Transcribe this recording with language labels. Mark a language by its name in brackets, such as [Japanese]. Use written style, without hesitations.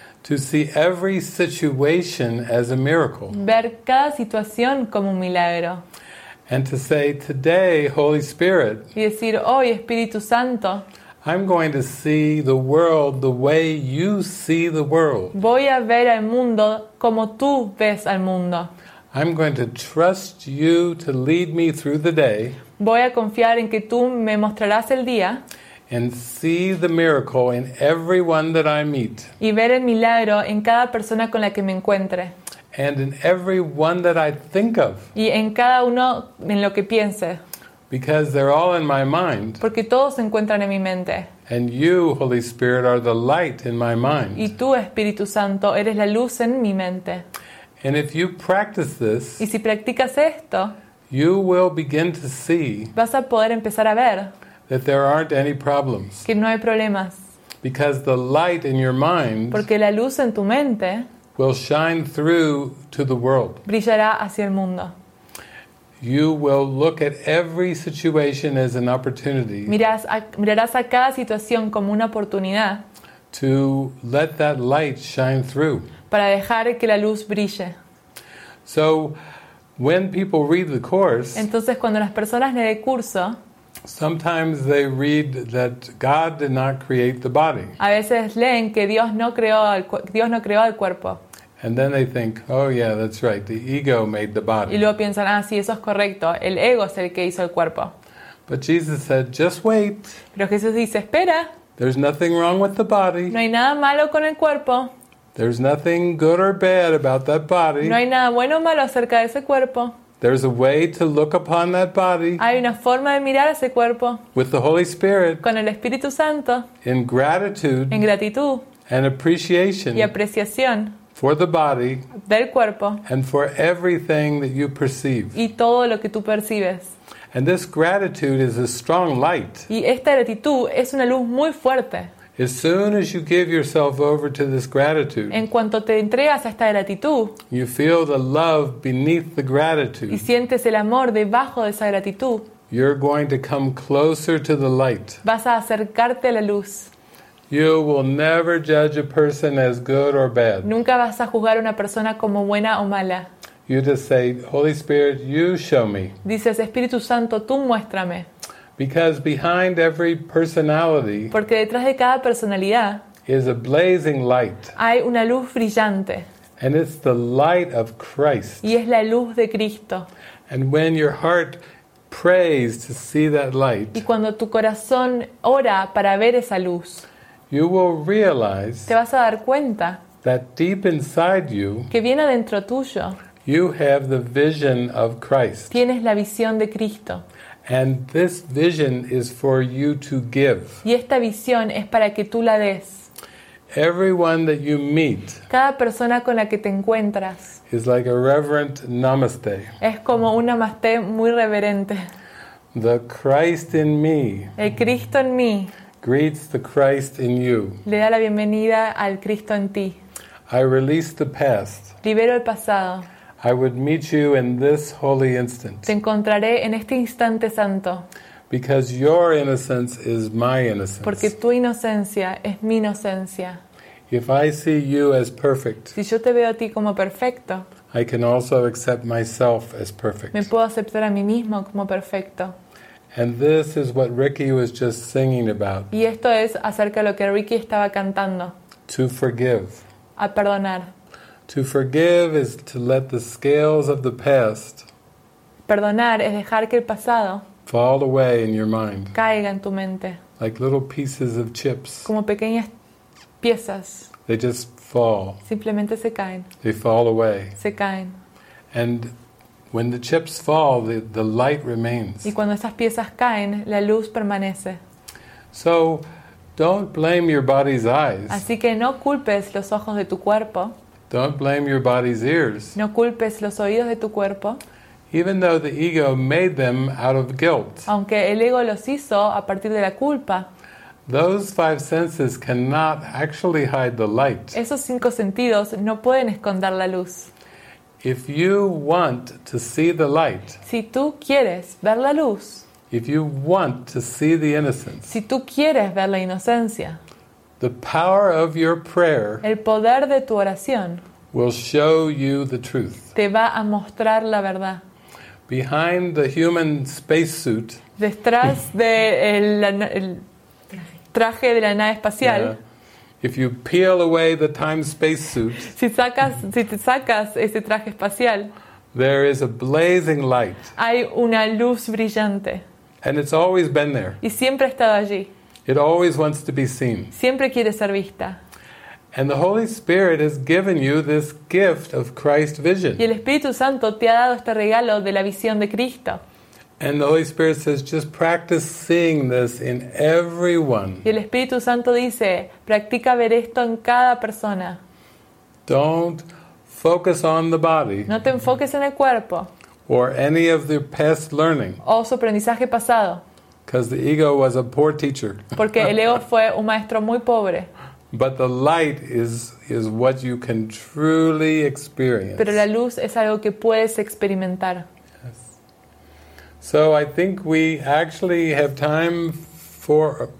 [English] To see every situation as a miracle. [Spanish] Ver cada situación como un milagro. [English] And to say today, Holy Spirit. [Spanish] Y decir hoy, Espíritu Santo. [English] I'm going to see the world the way you see the world. [Spanish] Voy a ver al mundo como tú ves al mundo. [English] I'm going to trust you to lead me through the day. [Spanish] Voy a confiar en que tú me mostrarás el día. [English] And see the miracle in everyone that I meet. [Spanish] Y ver el milagro en cada persona con la que me encuentre. [English] And in everyone that I think of. [Spanish] Y en cada uno en lo que piense. [English] Because they're all in my mind. [Spanish] Porque todos se encuentran en mi mente. [English] And you, Holy Spirit, are the light in my mind. [Spanish] Y tú, Espíritu Santo, eres la luz en mi mente. [English] And if you practice this. [Spanish] Y si practicas esto. [English] You will begin to see. [Spanish] Vas a poder empezar a ver. [English] That there aren't any problems. [Spanish] Que no hay problemas. [English] Because the light in your mind. [Spanish] Porque la luz en tu mente. [English] Will shine through to the world. [Spanish] Brillará hacia el mundo. [English] You will look at every situation as an opportunity. [Spanish] Mirarás a cada situación como una oportunidad. [English] To let that light shine through. [Spanish] Para dejar que la luz brille. [English] So, when people read the course. [Spanish] Entonces cuando las personas leen el curso. [English] Sometimes they read that God did not create the body. [Spanish] A veces leen que Dios no creó el cuerpo. [English] And then they think, oh yeah, that's right, the ego made the body. [Spanish] Y luego piensan, ah sí, eso es correcto, el ego es el que hizo el cuerpo. [English] But Jesus said, just wait. [Spanish] Pero Jesús dice, espera. [English] There's nothing wrong with the body. [Spanish] No hay nada malo con el cuerpo. [English] There's nothing good or bad about that body. [Spanish] No hay nada bueno o malo acerca de ese cuerpo. [English] There's a way to look upon that body. [Spanish] Hay una forma de mirar ese cuerpo. [English] With the Holy Spirit. [Spanish] Con el Espíritu Santo. [English] In gratitude. [Spanish] En gratitud. [English] And appreciation. [Spanish] Y apreciación. [English] For the body. [Spanish] Del cuerpo. [English] And for everything that you perceive. [Spanish] Y todo lo que tú percibes. [English] And this gratitude is a strong light. [Spanish] Y esta gratitud es una luz muy fuerte. [English] As soon as you give yourself over to this gratitude. [Spanish] En cuanto te entregas a esta gratitud. [English] You feel the love beneath the gratitude. [Spanish] Y sientes el amor debajo de esa gratitud. [English] You're going to come closer to the light. [Spanish] Vas a acercarte a la luz. [English] You will never judge a person as good or bad. [Spanish] Nunca vas a juzgar a una persona como buena o mala. [English] You just say, Holy Spirit, you show me. [Spanish] Dices, Espíritu Santo, tú muéstrame. [English] Because behind every personality. [Spanish] Porque detrás de cada personalidad. [English] Is a blazing light. [Spanish] Hay una luz brillante. [English] And it's the light of Christ. [Spanish] Y es la luz de Cristo. [English] And when your heart prays to see that light. [Spanish] Y cuando tu corazón ora para ver esa luz. [English] You will realize. [Spanish] Te vas a dar cuenta. [English] That deep inside you. [Spanish] Que viene adentro tuyo. [English] You have the vision of Christ. [Spanish] Tienes la visión de Cristo. [English] And this vision is for you to give. [Spanish] Y esta visión es para que tú la des. [English] Everyone that you meet. [Spanish] Cada persona con la que te encuentras. [English] Is like a reverent namaste. [Spanish] Es como un namaste muy reverente. [English] The Christ in me. [Spanish] El Cristo en mí. [English] Greets the Christ in you. [Spanish] Le da la bienvenida al Cristo en ti. [English] I release the past. [Spanish] Libero el pasado. [English] I would meet you in this holy instant. [Spanish] Te encontraré en este instante santo. [English] Because your innocence is my innocence. [Spanish] Porque tu inocencia es mi inocencia. [English] If I see you as perfect. [Spanish] Si yo te veo a ti como perfecto. [English] I can also accept myself as perfect. [Spanish] Me puedo aceptar a mí mismo como perfecto. [English] And this is what Ricky was just singing about. [Spanish] Y esto es acerca de lo que Ricky estaba cantando. [English] To forgive. [Spanish] A perdonar. [English] To forgive is to let the scales of the past. [Spanish] Perdonar es dejar que el pasado [English] fall away in your mind. [Spanish] Caiga en tu mente. [English] Like little pieces of chips. [Spanish] Como pequeñas piezas. [English] They just fall. [Spanish] Simplemente se caen. [English] They fall away. [Spanish] Se caen. [English] And when the chips fall, the light remains. [Spanish] Y cuando esas piezas caen, la luz permanece. [English] So, don't blame your body's eyes. [Spanish] Así que no culpes los ojos de tu cuerpo. [English] Don't blame your body's ears. [Spanish] No culpes los oídos de tu cuerpo. [English] Even though the ego made them out of guilt. [Spanish] Aunque el ego los hizo a partir de la culpa. [English] Those five senses cannot actually hide the light. [Spanish] Esos cinco sentidos no pueden esconder la luz. [English] If you want to see the light. [Spanish] Si tú quieres ver la luz. [English] If you want to see the innocence. [Spanish] Si tú quieres ver la inocencia. [English] The power of your prayer. [Spanish] El poder de tu oración. [English] Will show you the truth. [Spanish] Te va a mostrar la verdad. [English] Behind the human spacesuit. [Spanish] Detrás de el traje de la nave espacial. [English] Yeah. If you peel away the time space suit, [Spanish] si te sacas ese traje espacial, [English] there is a blazing light. [Spanish] Hay una luz brillante. [English] And it's always been there. [Spanish] Y siempre ha estado allí. [English] It always wants to be seen. [Spanish] Siempre quiere ser vista. [English] And the Holy Spirit has given you this gift of Christ's vision. [Spanish] Y el Espíritu Santo te ha dado este regalo de la visión de Cristo. [English] And the Holy Spirit says, just practice seeing this in everyone. [Spanish] Y el Espíritu Santo dice, practica ver esto en cada persona. [English] Don't focus on the body. [Spanish] No te enfoques en el cuerpo. [English] Or any of the past learning. [Spanish] O su aprendizaje pasado. [English] Because the ego was a poor teacher. [Spanish] Porque el ego fue un maestro muy pobre. [English] But the light is what you can truly experience. [Spanish] Pero la luz es algo que puedes experimentar. [English] So I think we actually have time for...